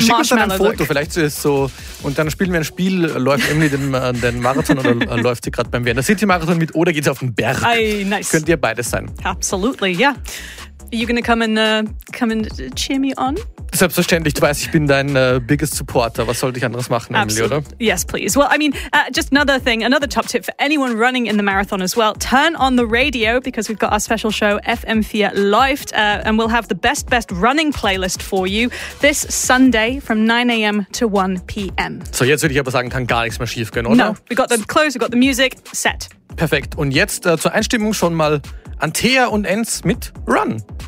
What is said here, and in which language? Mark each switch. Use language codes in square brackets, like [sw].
[de] Schick uns dann ein Foto, vielleicht so, und dann spielen wir ein Spiel, läuft Emily den Marathon oder läuft sie gerade beim Vienna City Marathon mit oder geht sie auf den Berg? [en] Nice. [de] Könnt ihr beides sein. Absolut. [en] Yeah. Are you going to come and cheer me on? [de] Selbstverständlich, du weißt, ich bin dein [en] biggest supporter. [de] Was sollte ich anderes machen, Emily, oder? [en] Yes, please. Well, I mean, just another thing, another top tip for anyone running in the marathon as well. Turn on the radio because we've got our special show FM4 Läuft and we'll have the best running playlist for you this Sunday from 9 a.m. to 1 p.m. [de] So, jetzt würde ich aber sagen, kann gar nichts mehr schief gehen, oder? [en] No, we got the clothes, we got the music, set. [de] Perfekt. Und jetzt zur Einstimmung schon mal Antea und Enz mit Run.